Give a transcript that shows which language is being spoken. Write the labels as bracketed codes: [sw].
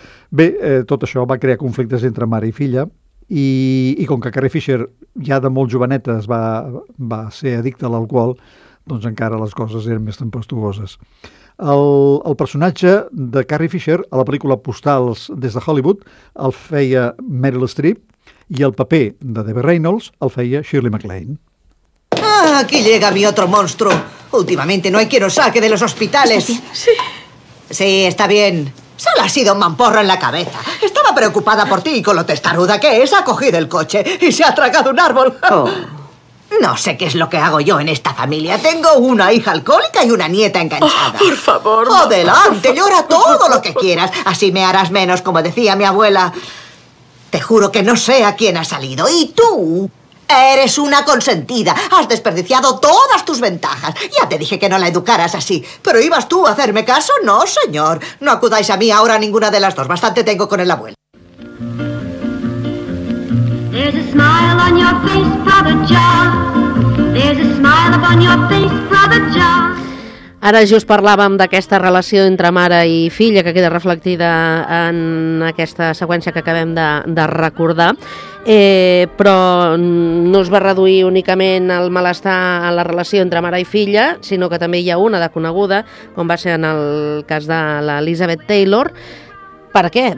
[ca] Bé, tot això va crear conflictes entre mare i filla, i com que Carrie Fisher ja de molt joveneta va ser addicta a l'alcohol, doncs encara les coses eren més tempestuoses. El personatge de Carrie Fisher a la pel·lícula Postals des de Hollywood el feia Meryl Streep, i el paper de Debbie Reynolds el feia Shirley MacLaine. [es] Ah, aquí llega mi otro monstruo. Últimamente no hay quien os saque de los hospitales. Sí, está bien. Solo ha sido un mamporro en la cabeza. Estaba preocupada por ti y con lo testaruda que es. Ha cogido el coche y se ha tragado un árbol. No sé qué es lo que hago yo en esta familia. Tengo una hija alcohólica y una nieta enganchada. Oh, por favor. Adelante, llora todo lo que quieras. Así me harás menos, como decía mi abuela. Te juro que no sé a quién ha salido. Y tú eres una consentida. Has desperdiciado todas tus ventajas. Ya te dije que no la educaras así. ¿Pero ibas tú a hacerme caso? No, señor. No acudáis a mí ahora a ninguna de las dos. Bastante tengo con el abuelo. [en] There's a smile on your face, Brother John. There's a smile upon your face, Brother John. [ca] Ara just parlàvem d'aquesta relació entre mare i filla que queda reflectida en aquesta seqüència que acabem de recordar, però no es va reduir únicament al malestar en la relació entre mare i filla, sinó que també hi ha una de coneguda, com va ser en el cas de l'Elizabeth Taylor. Per què?